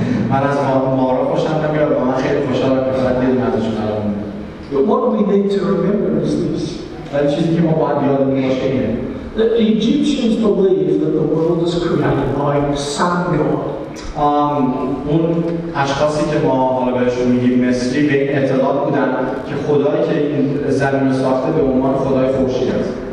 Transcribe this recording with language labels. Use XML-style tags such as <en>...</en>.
<fa>من از مارا خوشم نمیاد و من خیلی خوشحال که فقط دیدم ازشون الان میاد.</fa> <en>But what we need to remember is this.</en> <fa>ولی چیزی که ما باید یادمون باشه اینه.</fa> <en>The Egyptians believed that the world was created by sun god.</en> <fa>اون اشخاصی که ما حالا بهشون میگیم مصری به این اعتقاد بودن که خدایی که این زمین رو ساخته به عنوان خدای خورشید است.</fa>